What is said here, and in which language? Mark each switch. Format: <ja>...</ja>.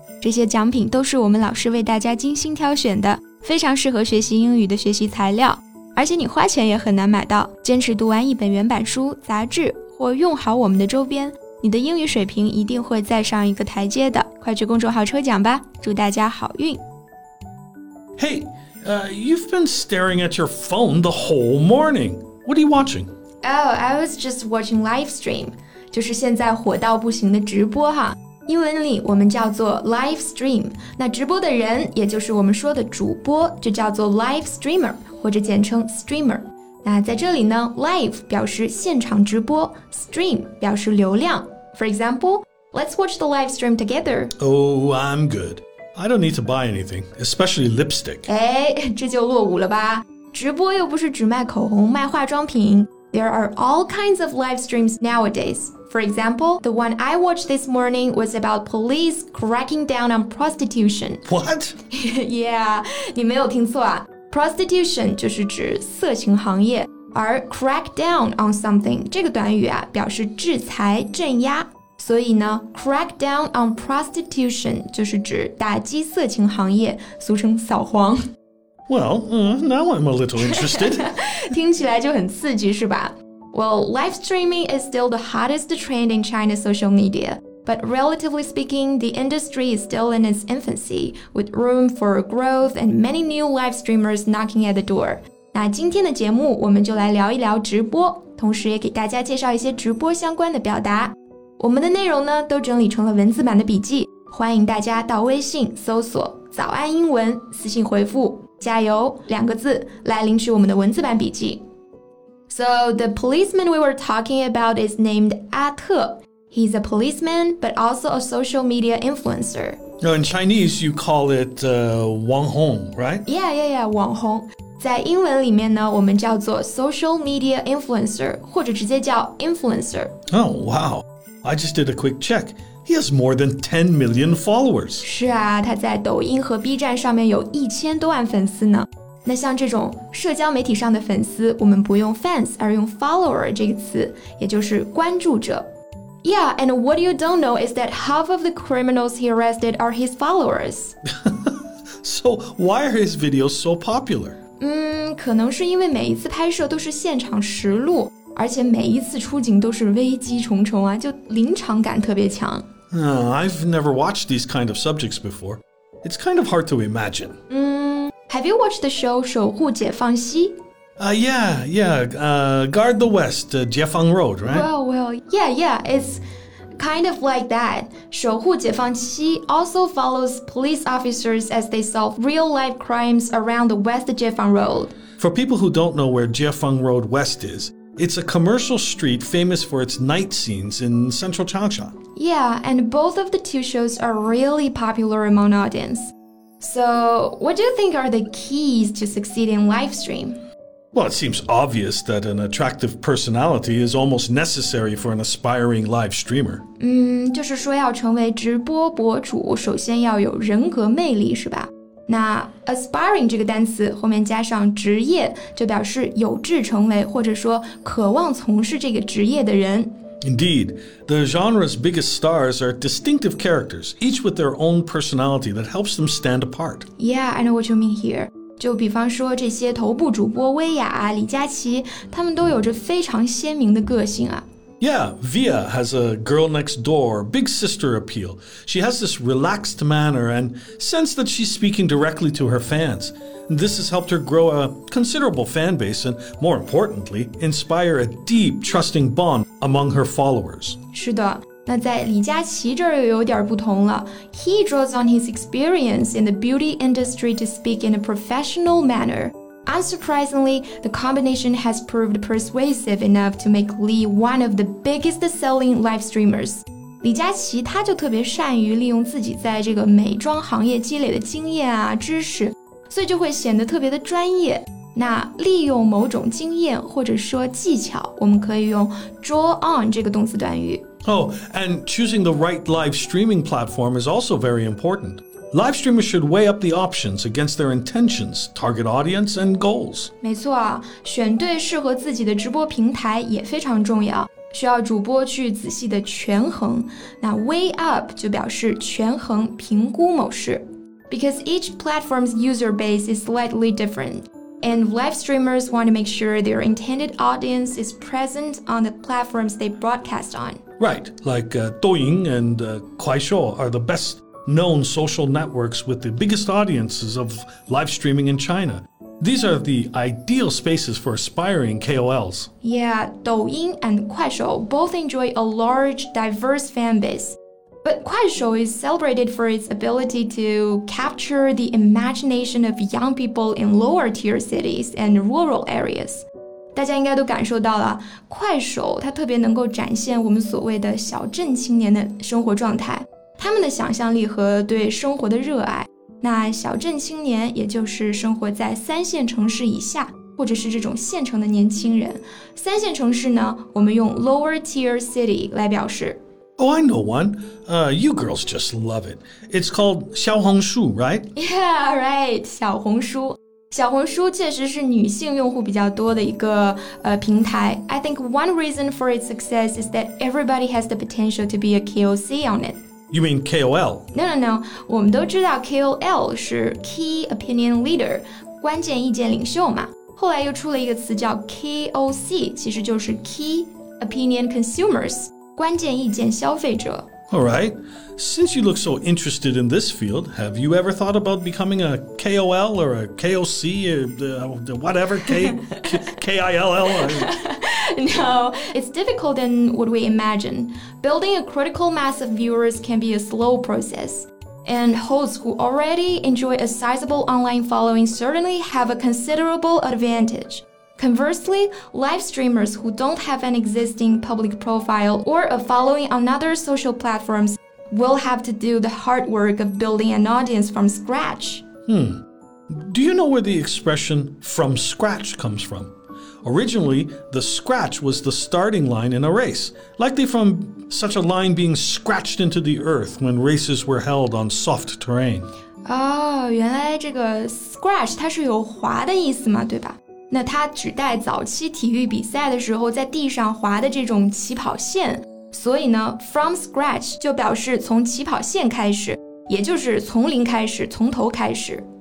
<zh>这些奖品都是我们老师为大家精心挑选的，非常适合学习英语的学习材料，而且你花钱也很难买到。坚持读完一本原版书、杂志，或用好我们的周边，你的英语水平一定会再上一个台阶的。快去公众号抽奖吧，祝大家好运。</zh> <en>Hey, you've been staring at your phone the whole morning. What are you watching? Oh, I was just watching live stream.</en> <zh>就是现在火到不行的直播哈。英文里我们叫做 live stream， 那直播的人也就是我们说的主播，就叫做 live streamer 或者简称 streamer。那在这里呢， live 表示现场直播， stream 表示流量。</zh> <en>For example, let's watch the live stream together. Oh, I'm good. I don't need to buy anything, especially lipstick.</en> <zh>哎，这就落伍了吧，直播又不是只卖口红卖化妆品。</zh> <en>There are all kinds of live streams nowadays. For example, the one I watched this morning was about police cracking down on prostitution. What?</en> <zh>Yeah, 你没有听错啊。Prostitution 就是指色情行业，而 crack down on something 这个短语啊，表示制裁、镇压。所以呢 crack down on prostitution 就是指打击色情行业，俗称扫黄。</zh> <en>Well, now I'm a little interested.</en> <zh>听起来就很刺激是吧？</zh> <en>Well, live streaming is still the hottest trend in China's social media. But relatively speaking, the industry is still in its infancy, with room for growth and many new live streamers knocking at the door.</en> <zh>那今天的节目我们就来聊一聊直播，同时也给大家介绍一些直播相关的表达。我们的内容呢都整理成了文字版的笔记，欢迎大家到微信搜索早安英文，私信回复加油两个字来领取我们的文字版笔记。</zh> <en>So the policeman we were talking about is named 阿特. He's a policeman but also a social media influencer. In Chinese you call it 网红 right?</en> <zh>Yeah, 网红在英文里面呢我们叫做 social media influencer 或者直接叫 influencer.</zh> <en>Oh wow, I just did a quick checkHe has more than 10 million followers.</en> <zh>是啊，他在抖音和 B 站上面有1000多万粉丝呢。那像这种社交媒体上的粉丝，我们不用 fans， 而用 follower 这个词，也就是关注者。</zh> <en>Yeah, and what you don't know is that half of the criminals he arrested are his followers. So why are his videos so popular?</en> <zh>可能是因为每一次拍摄都是现场实录。而且每一次出警都是危机重重啊，就临场感特别强。</zh> <en>I've never watched these kind of subjects before. It's kind of hard to imagine. Have you watched the show 守护解放西？ Guard the West, 解放 Road, right? Well, it's kind of like that. 守护解放西 also follows police officers as they solve real-life crimes around the West 解放 Road. For people who don't know where 解放 Road West is,It's a commercial street famous for its night scenes in central Changsha. Yeah, and both of the two shows are really popular among audience. So, what do you think are the keys to succeed in live stream? Well, it seems obvious that an attractive personality is almost necessary for an aspiring live streamer.</en> <zh>就是说要成为直播博主，首先要有人格魅力，是吧？那 aspiring 这个单词后面加上职业就表示有志成为或者说渴望从事这个职业的人。</zh> <en>Indeed, the genre's biggest stars are distinctive characters, each with their own personality that helps them stand apart. Yeah, I know what you mean here.</en> <zh>就比方说这些头部主播薇娅、李佳琦，他们都有着非常鲜明的个性啊。</zh> <en>Yeah, Via has a girl next door, big sister appeal. She has this relaxed manner and sense that she's speaking directly to her fans. This has helped her grow a considerable fan base and, more importantly, inspire a deep, trusting bond among her followers.</en> <zh>是的，那在李佳琦这儿又有点不同了。</zh> <en>He draws on his experience in the beauty industry to speak in a professional manner. Unsurprisingly, the combination has proved persuasive enough to make Lee one of the biggest selling live streamers.</en> <zh>李佳琦他就特别善于利用自己在这个美妆行业积累的经验啊知识，所以就会显得特别的专业。那利用某种经验或者说技巧，我们可以用 draw on 这个动词短语。</zh> <en>Oh, and choosing the right live streaming platform is also very important. Live streamers should weigh up the options against their intentions, target audience, and goals.</en> <zh>没错啊，选对适合自己的直播平台也非常重要，需要主播去仔细的权衡。那 weigh up 就表示权衡、评估某事。</zh> <en>Because each platform's user base is slightly different. And live streamers want to make sure their intended audience is present on the platforms they broadcast on. Right, like Douyin and Kuaishou are the best known social networks with the biggest audiences of live streaming in China. These are the ideal spaces for aspiring KOLs. Yeah, Douyin and Kuaishou both enjoy a large, diverse fan base. But Kuaishou is celebrated for its ability to capture the imagination of young people in lower-tier cities and rural areas.</en> <zh>大家应该都感受到了，Kuaishou它特别能够展现我们所谓的小镇青年的生活状态，他们的想象力和对生活的热爱。那小镇青年也就是生活在三线城市以下，或者是这种县城的年轻人。三线城市呢，我们用 lower-tier city 来表示。</zh> <en>Oh, I know one. You girls just love it. It's called 小红书, right? Yeah, right. 小红书。</en> <zh>小红书确实是女性用户比较多的一个平台。</zh> <en>I think one reason for its success is that everybody has the potential to be a KOC on it. You mean KOL? No.</en> <zh>我们都知道 KOL 是 Key Opinion Leader, 关键意见领袖嘛。后来又出了一个词叫 KOC, 其实就是 Key Opinion Consumers. 关键意见消费者。</zh> <en>Alright, since you look so interested in this field, have you ever thought about becoming a KOL or a KOC or whatever, K-I-L-L? No, it's difficult than what we imagine. Building a critical mass of viewers can be a slow process. And hosts who already enjoy a sizable online following certainly have a considerable advantage. Conversely, live streamers who don't have an existing public profile or a following on other social platforms will have to do the hard work of building an audience from scratch. Do you know where the expression from scratch comes from? Originally, the scratch was the starting line in a race, likely from such a line being scratched into the earth when races were held on soft terrain.</en> <zh>Oh, 原来这个 scratch 它是有滑的意思嘛，对吧？那它指代早期体育比赛的时候在地上滑的这种起跑线，所以呢 from scratch 就表示从起跑线开始，也就是从零开始，从头开始。</zh>